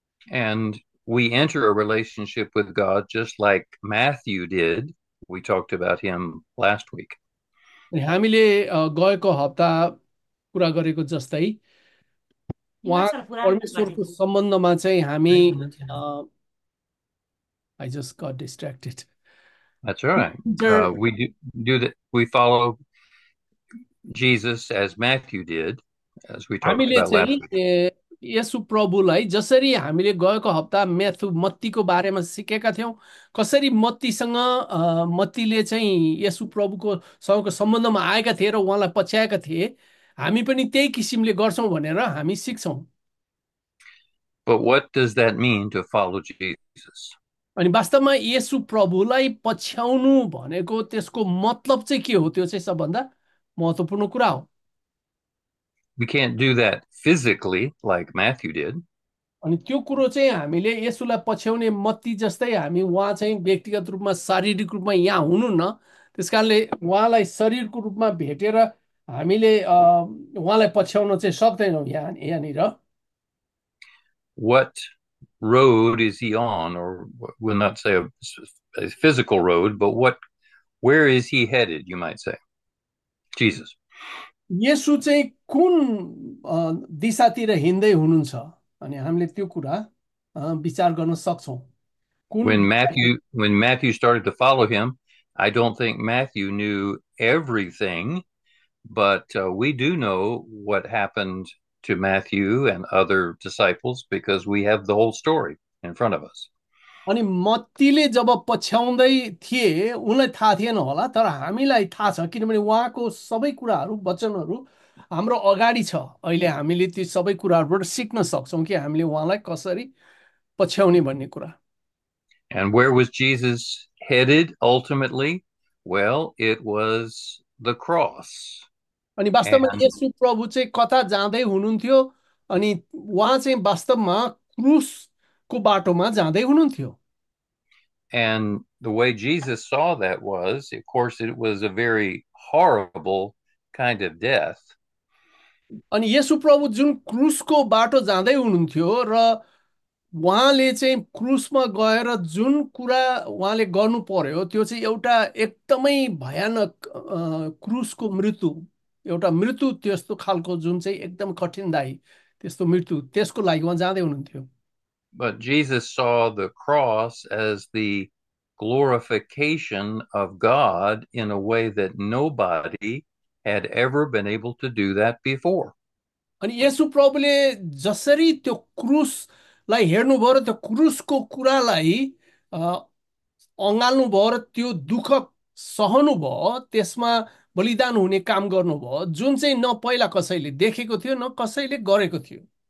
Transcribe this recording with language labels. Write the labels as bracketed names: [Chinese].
[English] And we enter a relationship with God just like Matthew did. We talked about him last week. [Nepali] अनि हामीले गएको हप्ता कुरा गरेको जस्तै उहाँ परमेश्वरको सम्बन्धमा चाहिँ हामी [English] I just got distracted That's all right. We do that. We follow Jesus as Matthew did, as we talked [Nepali] हामीले [English] about last [Nepali] चाहिँ [English] week. [Nepali] यसु प्रभुलाई जसरी हामीले गएको हप्ता म्याथु मत्तीको बारेमा सिकेका थियौँ कसरी मत्तीसँग मत्तीले चाहिँ यसु प्रभुको सँगको सम्बन्धमा आएका थिए र उहाँलाई पछ्याएका थिए हामी पनि त्यही किसिमले गर्छौँ भनेर हामी सिक्छौँ। [English] But what does that mean to follow Jesus? [Nepali] अनि वास्तवमा येसु प्रभुलाई पछ्याउनु भनेको त्यसको मतलब चाहिँ के हो त्यो चाहिँ सबभन्दा महत्त्वपूर्ण कुरा हो। [English] We can't do that physically like Matthew did. [Nepali] अनि त्यो कुरो चाहिँ हामीले येसुलाई पछ्याउने मत्ती जस्तै हामी उहाँ चाहिँ व्यक्तिगत रूपमा शारीरिक रूपमा यहाँ हुनुहुन्न त्यस कारणले उहाँलाई शरीरको रूपमा भेटेर हामीले उहाँलाई पछ्याउन चाहिँ सक्दैनौँ यहाँनिर। [English] What road is he on, or we'll not say a physical road, but where is he headed, you might say? Jesus. [Nepali] यसु चाहिँ कुन दिशातिर हिँड्दै हुनुहुन्छ अनि हामीले त्यो कुरा विचार गर्न सक्छौँ कुन दिशा। [English] When Matthew started to follow him, I don't think Matthew knew everything, but we do know what happened to Matthew and other disciples, because we have the whole story in front of us. [Nepali] अनि मत्तीले जब पछ्याउँदै थिए उनलाई थाहा थिएन होला तर हामीलाई थाहा छ किनभने उहाँको सबै कुराहरू वचनहरू हाम्रो अगाडि छ। अहिले हामीले ती सबै कुराहरूबाट सिक्न सक्छौँ कि हामीले उहाँलाई कसरी पछ्याउने भन्ने कुरा। [English] And where was Jesus headed ultimately? Well, it was the cross. [Nepali] अनि वास्तवमा [English] And [Nepali] येशु प्रभु चाहिँ कता जाँदै हुनुहुन्थ्यो अनि उहाँ चाहिँ वास्तवमा क्रुस को बाटोमा जाँदै हुनुहुन्थ्यो। [English] the way Jesus saw that was, of course, it was a very horrible kind of death. [Nepali] अनि येशु प्रभु जुन क्रुसको बाटो जाँदै हुनुहुन्थ्यो र उहाँले चाहिँ क्रुसमा गएर जुन कुरा उहाँले गर्नु पर्यो त्यो चाहिँ एउटा एकदमै भयानक क्रुसको मृत्यु एउटा मृत्यु त्यस्तो खालको जुन चाहिँ एकदम कठिनदायी त्यस्तो मृत्यु त्यसको लागि उहाँ जाँदै हुनुहुन्थ्यो। [English] But Jesus saw the cross as the glorification of God in a way that nobody had ever been able to do that before. [Nepali] अनि येशु प्रभुले जसरी त्यो क्रुसलाई हेर्नुभयो र त्यो क्रुसको कुरालाई अँगाल्नु भयो र त्यो दुःख सहनुभयो त्यसमा बलिदान हुने काम गर्नुभयो जुन चाहिँ न पहिला कसैले देखेको थियो न कसैले गरेको थियो।